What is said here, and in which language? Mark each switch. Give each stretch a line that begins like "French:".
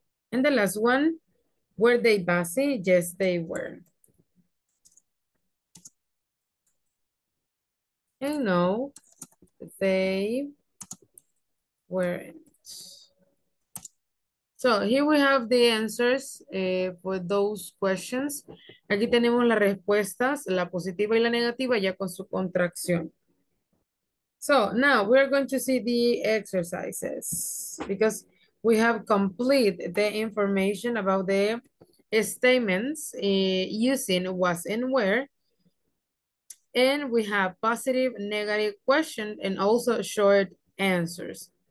English: And the last one, were they busy? Yes, they were. And no, they weren't. So here we have the answers for those questions.
Spanish: Aquí tenemos las respuestas, la positiva y la negativa, ya con su contracción.
English: So now we're going to see the exercises because we have complete the information about the statements using was and where. And we have positive, negative questions and also short answers.